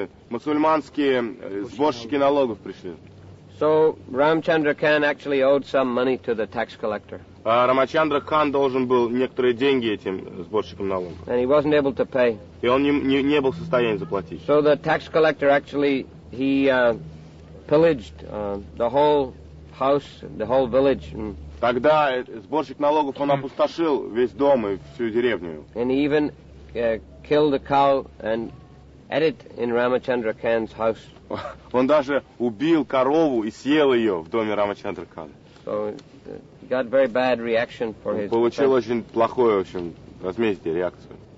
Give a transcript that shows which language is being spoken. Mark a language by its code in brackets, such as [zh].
[ru] Мусульманские сборщики налогов пришли. [en] So Ramchandra Khan actually owed some money to the tax collector. [ru] Рамачандра Кан должен был некоторые деньги этим сборщикам налогов. [en] And he wasn't able to pay. [ru] И он не был в состоянии заплатить. [en] So the tax collector actually pillaged the whole house, the whole village. [ru] Тогда сборщик налогов он опустошил весь дом и всю деревню. [en] And he even killed a cow and ate it in Ramachandra Khan's house. [ru] Он даже убил корову и съел ее в доме Рамачандра Кана. [en] So he got very bad reaction for his. [ru] Он получил очень плохое, в общем, возмездие, реакцию.